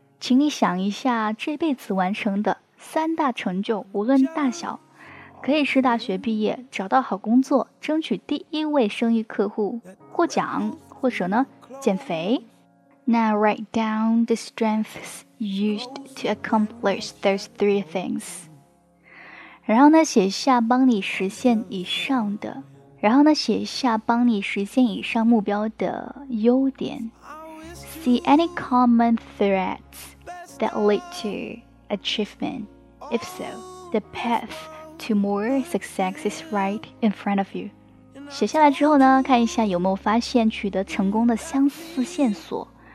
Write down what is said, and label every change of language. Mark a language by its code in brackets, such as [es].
[zh] 请你想一下这辈子完成的三大成就，无论大小，可以是大学毕业，找到好工作，争取第一位生意客户，获奖，或者呢，减肥。 [en] Now write down the strengths used to accomplish those three things. [zh] 然后呢，写下帮你实现以上的，然后呢，写下帮你实现以上目标的优点。 [en] See any common threads that lead to achievement? If so, the path to more success is right in front of you. [zh] 写下来之后呢，看一下有没有发现取得成功的相似线索。